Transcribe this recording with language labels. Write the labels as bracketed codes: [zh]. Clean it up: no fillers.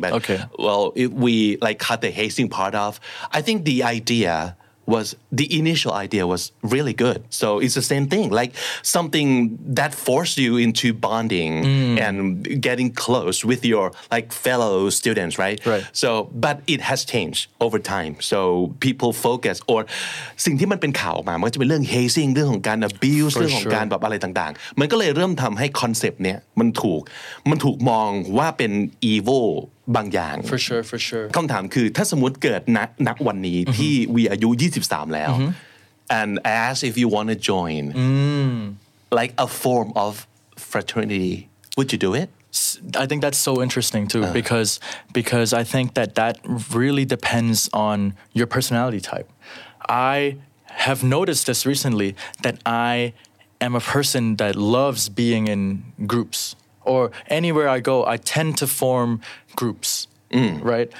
[en] But well, we like cut the hazing part off. I think the idea. The initial idea was really good. So it's the same thing, like something that forced you into bonding and getting close with your like fellow students, right? Right. So, but it has changed over time. So people focus or [th] สิ่งที่มันเป็นข่าวออกมามันก็จะเป็นเรื่อง hazing เรื่องของการ abuse เรื่องของการแบบอะไรต่างๆมันก็เลยเริ่มทำให้คอนเซปต์เนี้ยมันถูกมองว่าเป็น evil. บางอย่าง [en] for sure for sure [th] คำถามคือถ้าสมมุติเกิดนักวันนี้ที่วีอายุ23แล้ว [en] and ask if you want to join like a form of fraternity would you do it I think that's so interesting too because I think that really depends on your personality type I have noticed this recently that I am a person that loves being in groups or anywhere I go I tend to formgroups, right?